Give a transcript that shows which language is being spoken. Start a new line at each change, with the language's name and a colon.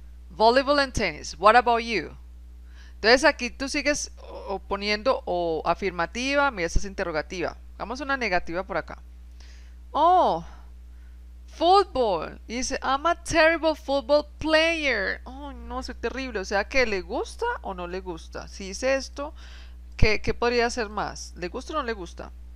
English: Volleyball and tennis. What about you?
Spanish: Entonces aquí tú sigues poniendo o afirmativa, mira, esta es interrogativa. Hagamos una negativa por acá.
English: Oh, football.
Spanish: Y dice,
English: I'm a terrible football player.
Spanish: Oh, no, soy terrible. O sea, ¿qué le gusta o no le gusta? Si dice esto, ¿qué podría hacer más? ¿Le gusta o no le gusta?